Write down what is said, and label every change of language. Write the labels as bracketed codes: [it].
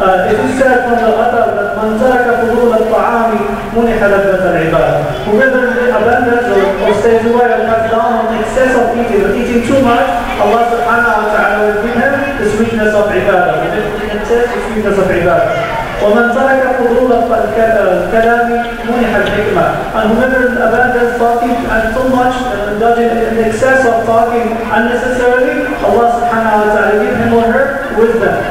[en] It is said from the Qatar that [ar] مَنْ تَرَكَ فُضُولَ الطَّعَامِ مُنِحَ لَذَّةَ الْعِبَادِ. [en] Whoever abandons or stays away or cuts down on the excess of eating, but eating too much, Allah subhanahu wa ta'ala will give him the sweetness of ibadah. We can taste the sweetness of ibadah. [ar] ومن ترك فضول الكلام منح الحكمة. [en] And whoever abandons talking and so much indulging in excess of talking unnecessarily, Allah subhanahu wa ta'ala give him or her wisdom.